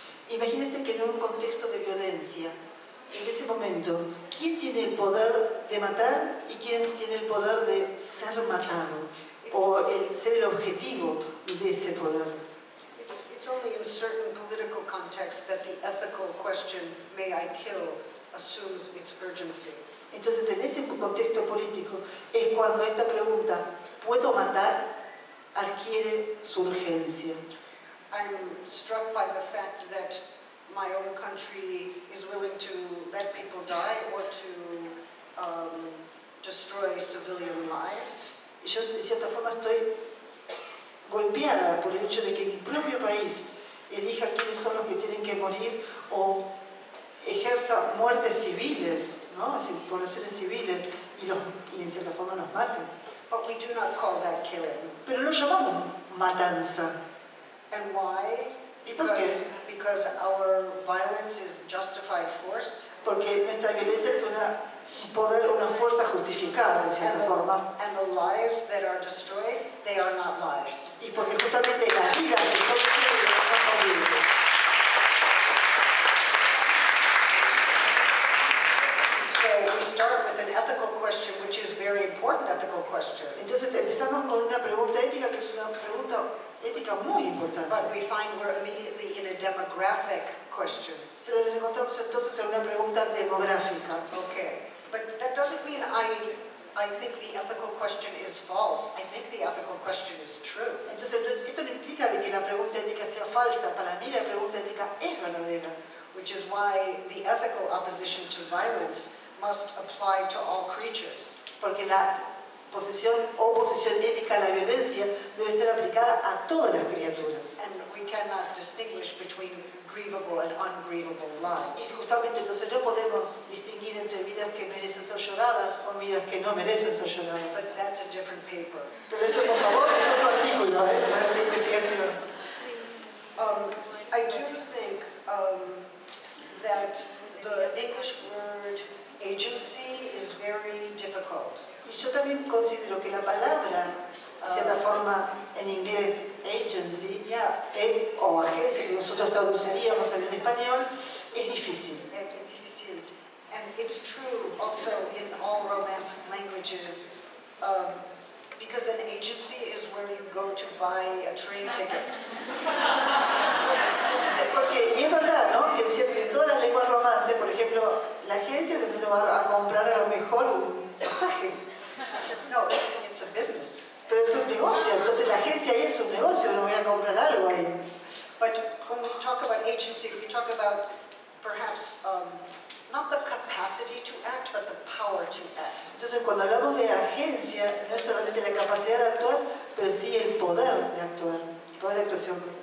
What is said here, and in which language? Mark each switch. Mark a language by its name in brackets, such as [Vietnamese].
[Spanish] Imagínense que en un contexto de violencia, en ese momento, ¿quién tiene el poder de matar y quién tiene el poder de ser matado o el, ser el objetivo de ese poder? [English] It's only in certain political contexts that the ethical question, may I kill, assumes its urgency. [Spanish] Entonces, en ese contexto político es cuando esta pregunta, ¿puedo matar?, adquiere su urgencia. [English] I'm struck by the fact that my own country is willing to let people die or to destroy civilian lives. [Spanish] Yo, de cierta forma, estoy golpeada por el hecho de que mi propio país elija quiénes son los que tienen que morir o ejerza muertes civiles, ¿no? Así, poblaciones civiles, y, los, y en cierta forma nos maten. [English] But we do not call that killing. [Spanish] Pero lo llamamos matanza. [English] And why? Because our violence is justified force. [Spanish] Porque nuestra violencia es una poder, una fuerza justificada en cierta forma. [English] And the lives that are destroyed, they are not lives. [Spanish] Y porque justamente la vida que son destruidas no son vidas. [English] So we start with an ethical question, which is very important ethical question. [Spanish] Entonces empezamos con una pregunta ética que es una pregunta ética muy importante. [English] But we find we're immediately in a demographic question. [Spanish] Pero nos encontramos entonces en una pregunta demográfica. [English] Okay. But that doesn't mean I think the ethical question is false. I think the ethical question is true. [Spanish] Entonces esto no implica que la pregunta ética sea falsa. Para mí la pregunta ética es verdadera. [English] Which is why the ethical opposition to violence must apply to all creatures. [Spanish] Porque la posición o posición ética a la violencia debe ser aplicada a todas las criaturas. [English] And we cannot distinguish between grievable and ungrievable lives. [Spanish] Y justamente entonces no podemos distinguir entre vidas que merecen ser lloradas o vidas que no merecen ser lloradas. [English] But that's a different paper. [Spanish] Pero eso, por favor, es otro artículo, para la investigación. [English] I do think that the English word agency is very difficult. [Spanish] Y yo también considero que la palabra, en cierta forma, en inglés, agency, [English] yeah, [Spanish] es, o agencia, que nosotros traduciríamos en el español, es difícil. Es difícil. [English] And it's true also in all Romance languages, because an agency is where you go to buy a train ticket. [Spanish] Porque, y es verdad, ¿no? Que en todas las lenguas romances, por ejemplo, la agencia donde uno va a comprar a lo mejor un pasaje. [English] No, it's a business. [Spanish] Pero es un negocio, entonces la agencia es un negocio, no voy a comprar algo ahí. [English] But when we talk about agency, we talk about perhaps not the capacity to act, but the power to act. [Spanish] Entonces cuando hablamos de agencia, no es solamente la capacidad de actuar, pero sí el poder de actuar, el poder de actuación.